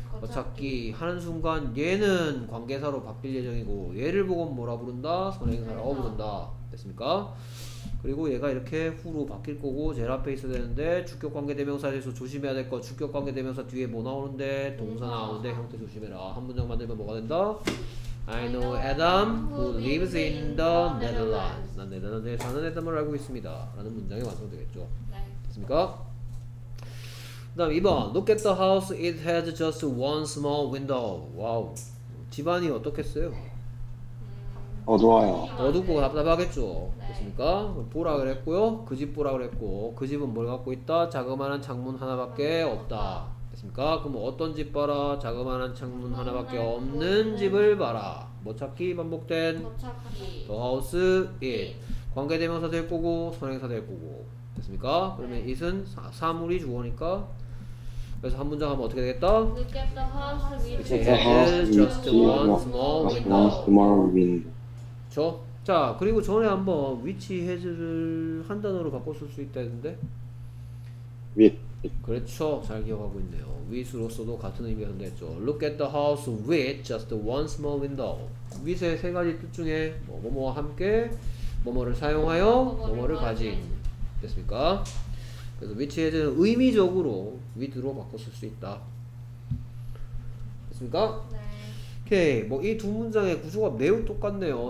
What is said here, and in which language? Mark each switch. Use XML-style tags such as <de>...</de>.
<ko>거찾기 하는 순간 얘는 관계사로 바뀔 예정이고 얘를 보고 뭐라 부른다? 선행사라고 부른다. 됐습니까? 그리고 얘가 이렇게 후로 바뀔 거고 젤 앞에 있어야 되는데 주격관계대명사에서 조심해야 될 거. 주격관계대명사 뒤에 뭐 나오는데? 동사 나오는데 형태 조심해라. 한 문장 만들면 뭐가 된다?</ko> <en>I know Adam who lives in the Netherlands.</en> <ko>난 네덜란드에 사는 Adam을 알고 있습니다. 라는 문장이 완성되겠죠.</ko> <en>됐습니까?</en> <ko>그 다음 2번</ko> <en>Look at the house. It has just one small window.</en> <ko>와우, 집안이 어떻겠어요? 어두워요. 어둡고 답답하겠죠. 됐습니까? 보라 그랬고요. 그 집 보라 그랬고 그 집은 뭘 갖고 있다? 자그마한 창문 하나밖에 없다. 됐습니까? 그럼 어떤 집 봐라? 자그마한 창문 하나밖에 없는 집을 봐라. 뭐 찾기 반복된? 뭐</ko> <en>찾기. The house, it.</en> <ko>관계대명사 될 거고 선행사 될 거고. 됐습니까? 네. 그러면 it은 사물이 주어니까 그래서 한 문장 하면 어떻게 되겠다?</ko> <en>Look at the house with the just one small window.</en> <ko>자, 그리고 전에 한번</ko> <en>which has</en> <ko>를 한 단어로 바꿨을 수 있다는데?</ko> <en>with.</en> <ko>그렇죠. 잘 기억하고 있네요. with로서도 같은 의미가 됐죠.</ko> <en>Look at the house with just one small window.</en> <ko>with의 세 가지 뜻 중에 뭐뭐와 함께 뭐뭐를 사용하여 뭐뭐를 가진. 됐습니까? 그래서</ko> <en>which has</en> <ko>는 의미적으로 with로 바꿨을 수 있다. 됐습니까? 네. 오케이. 뭐 이 두 문장의 구조가 매우 똑같네요.</ko>